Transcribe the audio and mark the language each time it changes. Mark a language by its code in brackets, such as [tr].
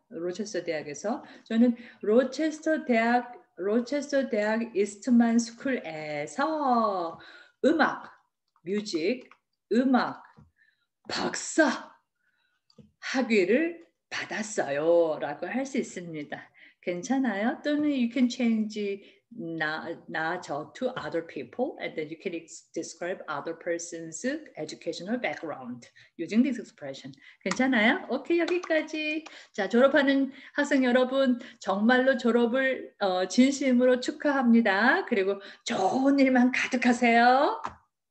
[ko] 로체스터 대학에서 저는 로체스터 대학 이스트만 스쿨에서 음악 박사 학위를 받았어요 라고 할 수 있습니다. 괜찮아요? 또는 [en] you can change now to other people and then you can describe other person's educational background using this expression. [ko] 괜찮아요? 오케이, 여기까지. 자, 졸업하는 학생 여러분, 정말로 졸업을 진심으로 축하합니다. 그리고 좋은 일만 가득하세요.